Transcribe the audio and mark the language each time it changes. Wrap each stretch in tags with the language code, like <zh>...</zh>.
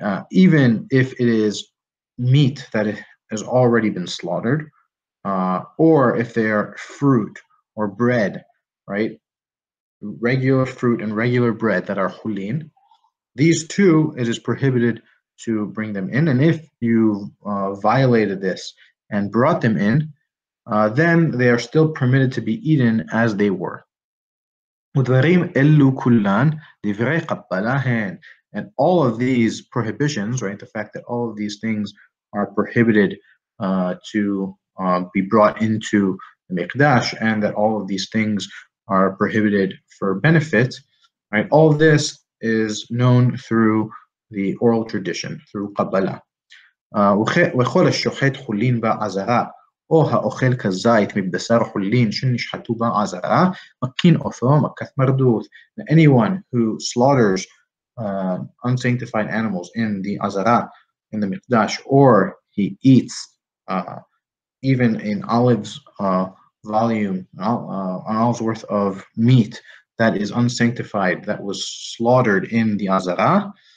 <en>Even if it is meat that has already been slaughtered, or if they are fruit or bread, right? Regular fruit and regular bread that are chulin, these two, it is prohibited to bring them in. And if you violated this and brought them in, then they are still permitted to be eaten as they were.</en> <he>ודברים אלו כולן דברי קבלה הן.</he> <en>And all of these prohibitions, right, the fact that all of these things are prohibited to be brought into the Mikdash, and that all of these things are prohibited for benefit, right, all of this is known through the oral tradition, through Qabbalah.</en> <he>וכל השוחט חולין בעזרה, או האוכל כזית מבשר חולין שנשחטו בעזרה, מכין אותו מכת מרדות.</he> <en>Anyone who slaughters unsanctified animals in the azara, in the mikdash, or he eats even an olive's volume, an olive's worth of meat that is unsanctified, that was slaughtered in the azara,</en>